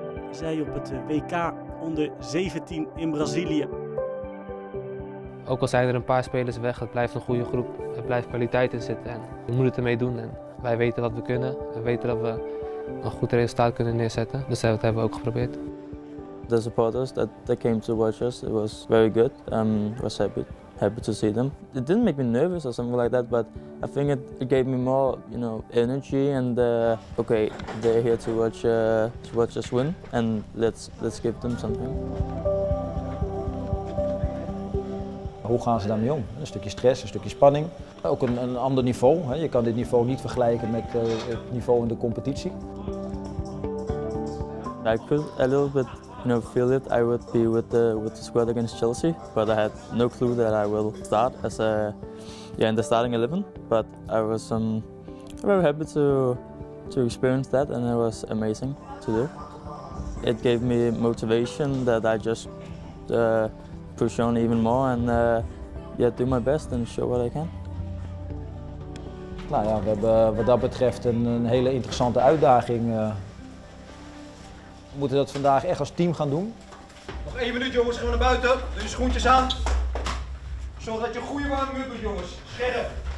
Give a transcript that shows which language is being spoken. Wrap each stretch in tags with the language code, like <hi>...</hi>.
<nl>Zij op het WK onder 17 in Brazilië. Ook al zijn er een paar spelers weg, het blijft een goede groep. Er blijft kwaliteit in zitten en we moeten het ermee doen. En wij weten wat we kunnen. We weten dat we een goed resultaat kunnen neerzetten. Dus dat hebben we ook geprobeerd.</nl> <en>The supporters that they came to watch us, it was very good. I was happy to see them. It didn't make me nervous or something like that, but I think it gave me more, you know, energy and okay, they're here to watch us win and let's give them something.</en> <nl>Hoe gaan ze daarmee om? Een stukje stress, een stukje spanning. Ook een ander niveau. Hè. Je kan dit niveau niet vergelijken met het niveau in de competitie.</nl> <en>I could a little bit, you know, feel it. I would be with the squad against Chelsea, but I had no clue that I will start as a in the starting 11. But I was very happy to experience that, and it was amazing to do. It gave me motivation that I just push on even more and do my best and show what I can.</en> <nl>Nou ja, we hebben wat dat betreft een hele interessante uitdaging. We moeten dat vandaag echt als team gaan doen. Nog 1 minuut jongens, gaan we naar buiten. Doe je schoentjes aan. Zorg dat je een goede warming up doet jongens. Scherp.</nl>